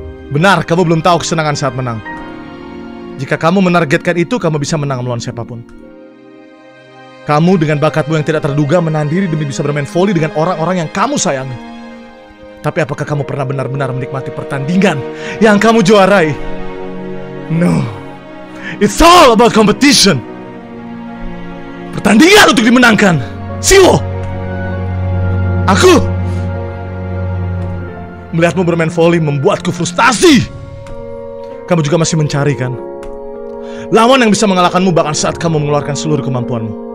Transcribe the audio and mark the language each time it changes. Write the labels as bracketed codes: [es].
[id] Benar, kamu belum tahu kesenangan saat menang. Jika kamu menargetkan itu, kamu bisa menang melawan siapapun. Kamu dengan bakatmu yang tidak terduga menahan diri demi bisa bermain volley dengan orang-orang yang kamu sayangi. Tapi apakah kamu pernah benar-benar menikmati pertandingan yang kamu juarai? [en] No. It's all about competition. [id] Pertandingan untuk dimenangkan. Siwo! Aku melihatmu bermain volley membuatku frustasi. Kamu juga masih mencari kan lawan yang bisa mengalahkanmu bahkan saat kamu mengeluarkan seluruh kemampuanmu.